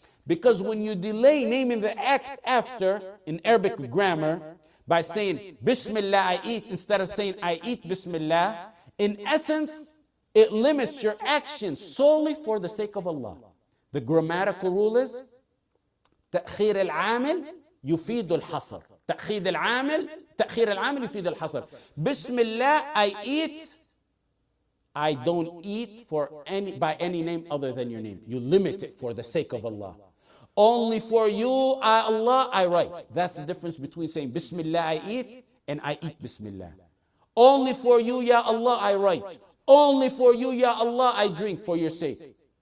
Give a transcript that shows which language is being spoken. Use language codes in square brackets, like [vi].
[en] Because when you delay naming the act after, in Arabic grammar, by saying, Bismillah, I eat, instead of saying, I eat Bismillah, in essence, it limits your action solely for the sake of Allah. The grammatical rule is, [ar] تأخير العامل يفيد الحصر. تأخير العامل يفيد الحصر. [en] Bismillah, I eat. I don't eat for any by any name other than your name. You limit it for the sake of Allah. Only for you, Allah, I write. That's the difference between saying Bismillah, I eat, and I eat Bismillah. Only for you, Ya Allah, I write. Only for you, Ya Allah, I drink for your sake.